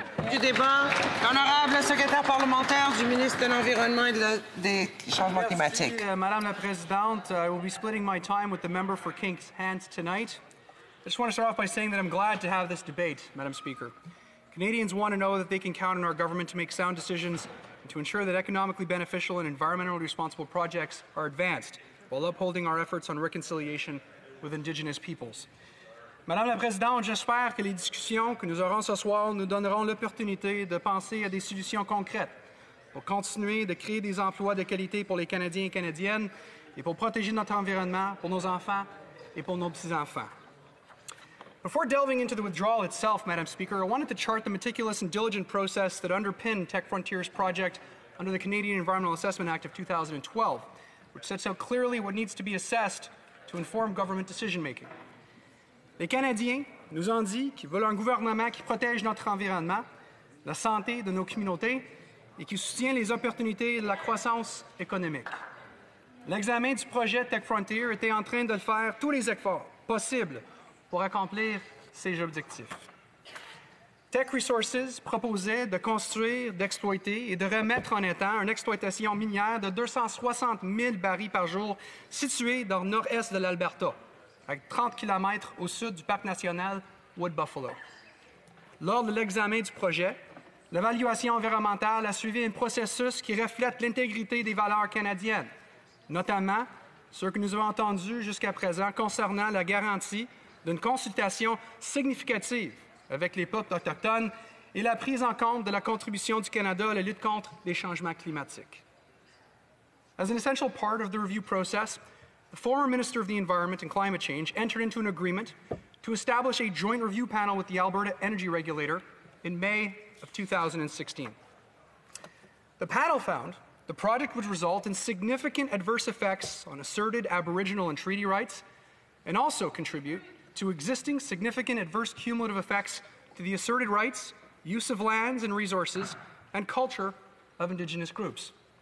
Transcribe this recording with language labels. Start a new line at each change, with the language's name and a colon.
French: Du débat, l'honorable secrétaire parlementaire du ministre de l'Environnement et des changements climatiques. Merci, Madame la Présidente.
English: I will be splitting my time with the member for King's Hants tonight. I just want to start off by saying that I'm glad to have this debate, Madam Speaker. Canadians want to know that they can count on our government to make sound decisions and to ensure that economically beneficial and environmentally responsible projects are advanced while upholding our efforts on reconciliation with Indigenous peoples.
French: Madame la Présidente, j'espère que les discussions que nous aurons ce soir nous donneront l'opportunité de penser à des solutions concrètes pour continuer de créer des emplois de qualité pour les Canadiens et Canadiennes et pour protéger notre environnement, pour nos enfants et pour nos petits-enfants.
English: Before delving into the withdrawal itself, Madam Speaker, I wanted to chart the meticulous and diligent process that underpinned Tech Frontier's project under the Canadian Environmental Assessment Act of 2012, which sets out clearly what needs to be assessed to inform government decision-making.
French: Les Canadiens nous ont dit qu'ils veulent un gouvernement qui protège notre environnement, la santé de nos communautés et qui soutient les opportunités de la croissance économique. L'examen du projet Tech Frontier était en train de faire tous les efforts possibles pour accomplir ces objectifs. Tech Resources proposait de construire, d'exploiter et de remettre en état une exploitation minière de 260 000 barils par jour située dans le nord-est de l'Alberta, à 30 km au sud du parc national Wood Buffalo. Lors de l'examen du projet, l'évaluation environnementale a suivi un processus qui reflète l'intégrité des valeurs canadiennes, notamment ce que nous avons entendu jusqu'à présent concernant la garantie d'une consultation significative avec les peuples autochtones et la prise en compte de la contribution du Canada à la lutte contre les changements climatiques.
English: As an essential part of the review process, the former Minister of the Environment and Climate Change entered into an agreement to establish a joint review panel with the Alberta Energy Regulator in May of 2016. The panel found the project would result in significant adverse effects on asserted Aboriginal and treaty rights and also contribute to existing significant adverse cumulative effects to the asserted rights, use of lands and resources, and culture of Indigenous groups.